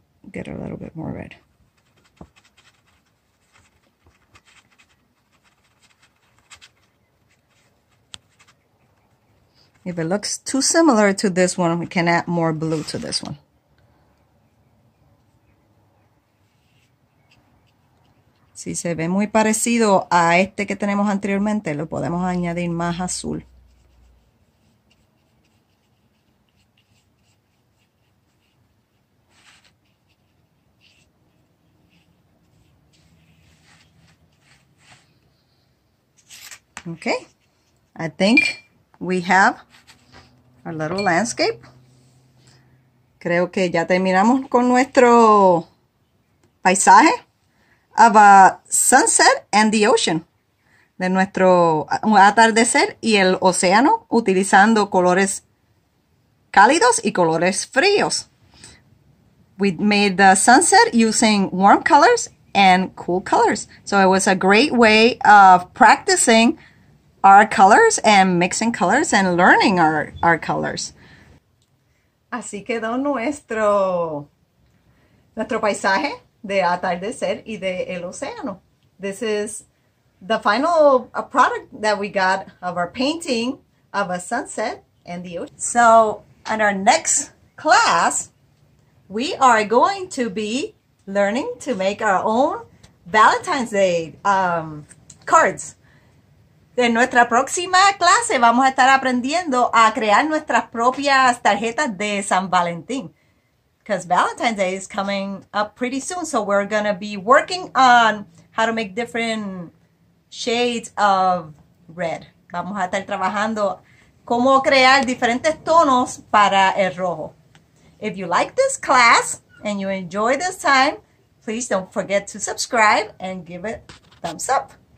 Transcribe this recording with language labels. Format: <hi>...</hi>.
<en>Get a little bit more red. If it looks too similar to this one, we can add more blue to this one.</en> <es>Si se ve muy parecido a este que tenemos anteriormente, lo podemos añadir más azul.</es> <en>Okay, I think we have our little landscape.</en> <es>Creo que ya terminamos con nuestro paisaje</es> <en>of a sunset and the ocean.</en> <es>De nuestro atardecer y el océano utilizando colores cálidos y colores fríos.</es> <en>We made the sunset using warm colors and cool colors. So it was a great way of practicing our colors and mixing colors and learning our colors.</en> <es>Así quedó nuestro paisaje de atardecer y de el océano.</es> <en>This is the final product that we got of our painting of a sunset and the ocean. So in our next class, we are going to be learning to make our own Valentine's Day cards.</en> <es>En nuestra próxima clase vamos a estar aprendiendo a crear nuestras propias tarjetas de San Valentín.</es> <en>Because Valentine's Day is coming up pretty soon, so we're going to be working on how to make different shades of red.</en> <es>Vamos a estar trabajando cómo crear diferentes tonos para el rojo.</es> <en>If you like this class and you enjoy this time, please don't forget to subscribe and give it thumbs up.</en>